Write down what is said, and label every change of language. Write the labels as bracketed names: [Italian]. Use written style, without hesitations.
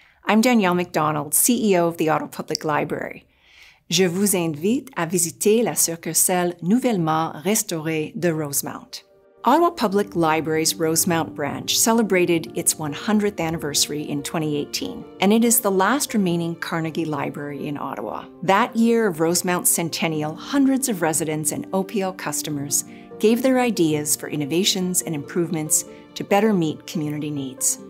[English] I'm Danielle McDonald, CEO of the Ottawa Public Library. [French] Je vous invite à visiter la succursale nouvellement restaurée de Rosemount. [English] Ottawa Public Library's Rosemount branch celebrated its 100th anniversary in 2018, and it is the last remaining Carnegie Library in Ottawa. That year of Rosemount's centennial, hundreds of residents and OPL customers gave their ideas for innovations and improvements to better meet community needs.